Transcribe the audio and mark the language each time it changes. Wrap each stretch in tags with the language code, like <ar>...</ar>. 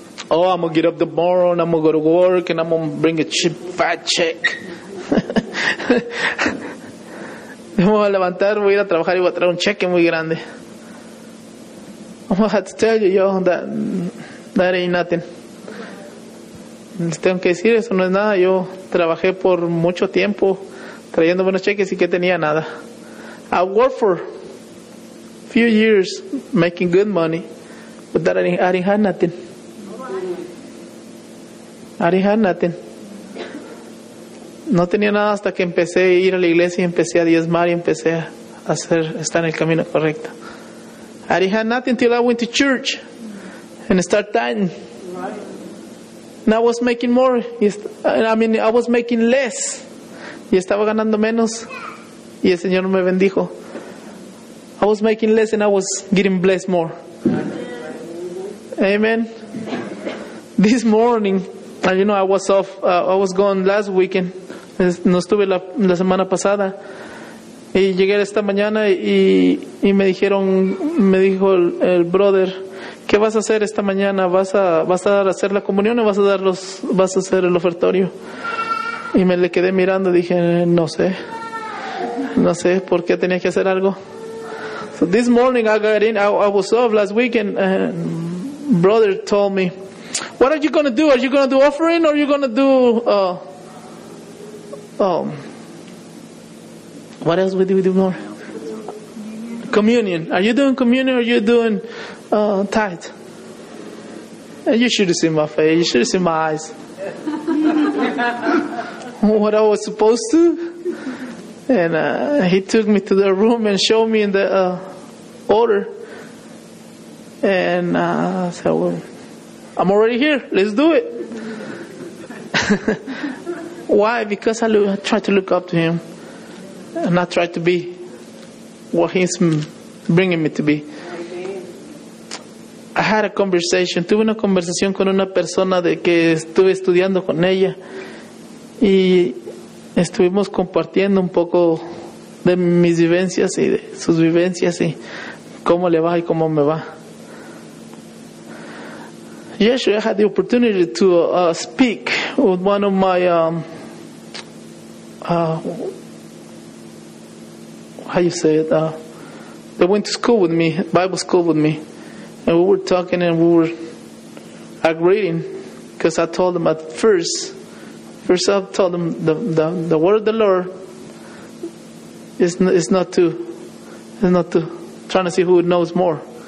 <en>Oh, I'm going to get up tomorrow and I'm going to go to work and I'm going to bring a cheap fat check. I'm going to</en> <es>levantar, voy a ir a trabajar y voy a traer un cheque muy grande.</es> <en>I'm going to have to tell you, yo, that ain't nothing.</en> <es>Les tengo que decir, eso no es nada. Yo trabajé por mucho tiempo trayendo buenos cheques y que tenía nada.</es> <en>I worked for a few years making good money, but that I didn't have nothing.</en> <es>No tenía nada hasta que empecé a ir a la iglesia y empecé a diezmar y empecé a hacer estar en el camino correcto.</es> <en>I didn't have nothing until I went to church and started tithing. And I was making more. I was making less.</en> <es>Y estaba ganando menos. Y el Señor me bendijo.</es> <en>I was making less and I was getting blessed more. Amen. This morning, you know, I was off. I was gone last weekend.</en> <es>No estuve la semana pasada. Y llegué esta mañana y me dijeron, me dijo el brother, ¿qué vas a hacer esta mañana? ¿Vas a hacer la comunión o vas a hacer el ofertorio? Y me le quedé mirando y dije, no sé. No sé por qué tenía que hacer algo.</es> <en>So this morning I got in. I was off last weekend. Brother told me, what are you going to do? Are you going to do offering or are you going to do... what else would we do more? Communion. Are you doing communion or are you doing tithe? And you should have seen my face. You should have seen my eyes. What I was supposed to? And he took me to the room and showed me in the order. And I said, well, I'm already here. Let's do it. Why? Because I tried to look up to him. And I tried to be what he's bringing me to be. I had a conversation.</en> <es>Tuve una conversación con una persona de que estuve estudiando con ella. Y estuvimos compartiendo un poco de mis vivencias y de sus vivencias y cómo le va y cómo me va.</es> <en>Yesterday I had the opportunity to speak with one of my they went to school with me, Bible school with me, and we were talking and we were agreeing, because I told them at first I told them the word of the Lord is not to trying to see who knows more.</en>